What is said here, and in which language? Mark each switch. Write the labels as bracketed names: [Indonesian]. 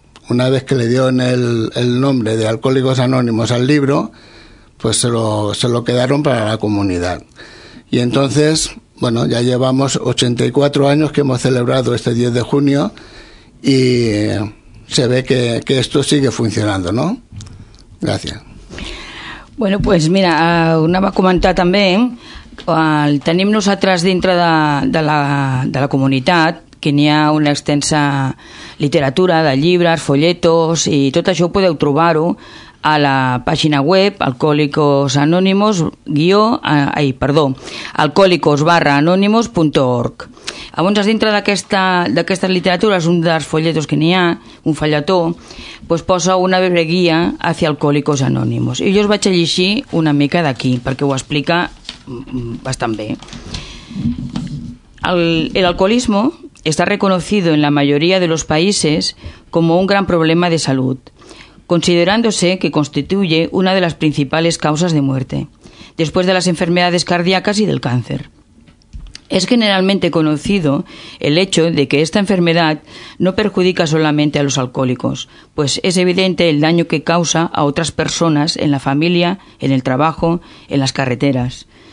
[Spanish] Una vez que le dieron el nombre de Alcohólicos Anónimos al libro, pues se lo quedaron para la comunidad. Y entonces, bueno, ya llevamos 84 años que hemos celebrado este 10 de junio y se ve que esto sigue funcionando, ¿no? Gracias. [Catalan] Bueno, pues mira, anava a comentar també, el tenim nosaltres dintre de la comunitat, que n'hi ha una extensa literatura de llibres, folletos, i tot això podeu trobar-ho a la pàgina web alcohólicos-anónimos.org. Llavors, dintre d'aquesta literatura, és un dels folletos que n'hi ha, un folletó, pues posa una breu guia hacia Alcohólicos Anónimos. I jo us vaig llegir una mica d'aquí, perquè ho explica bastant bé. [Spanish] El alcoholismo está reconocido en la mayoría de los países como un gran problema de salud, considerándose que constituye una de las principales causas de muerte, después de las enfermedades cardíacas y del cáncer. Es generalmente conocido el hecho de que esta enfermedad no perjudica solamente a los alcohólicos, pues es evidente el daño que causa a otras personas en la familia, en el trabajo, en las carreteras.